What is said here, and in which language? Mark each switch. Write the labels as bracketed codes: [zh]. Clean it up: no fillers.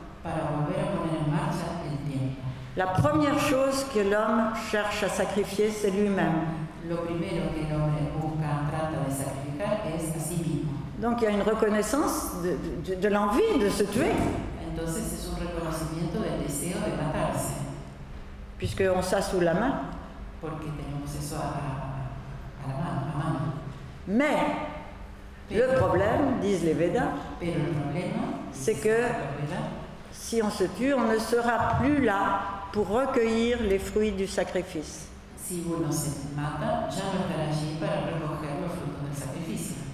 [es] para volver a poner en marcha el tiempo. [fr] La première chose que l'homme cherche à sacrifier, c'est lui-même. [es] Lo primero que el hombre busca, trata de sacrificar, es a sí mismo. [fr] Donc il y a une reconnaissance de l'envie de se tuer. [es] Entonces es un reconocimiento del deseo de matarse. [fr] Puisque on s'a sous la main. [es] Porque tenemos eso a la mano. A mano. [fr] Mais le problème, disent les Védas, c'est que si on se tue, on ne sera plus là pour recueillir les fruits du sacrifice. [es] Si vous ne se mata, ya no estará allí para recoger los frutos del sacrificio.